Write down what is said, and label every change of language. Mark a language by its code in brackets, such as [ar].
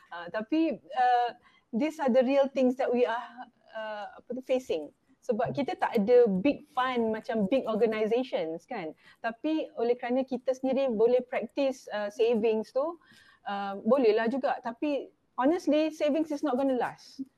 [ms] Tapi [en] these are the real things that we are facing. [ms] Sebab kita tak ada [en] big fund [ms] macam [en] big organizations, [ms] kan. Tapi oleh kerana kita sendiri boleh [en] practice savings [ms] tu, bolehlah juga. Tapi [en] honestly, savings is not going to last.